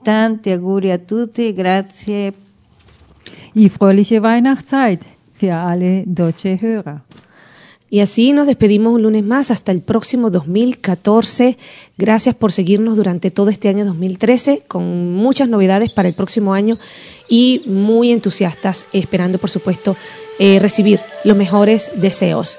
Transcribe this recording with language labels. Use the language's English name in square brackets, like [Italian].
[Italian] Tanti auguri a tutti, grazie. [German] Y fröhliche Weihnachtszeit für alle deutsche Hörer. [Spanish] Y así nos despedimos un lunes más, hasta el próximo 2014. Gracias por seguirnos durante todo este año 2013, con muchas novedades para el próximo año y muy entusiastas, esperando, por supuesto, recibir los mejores deseos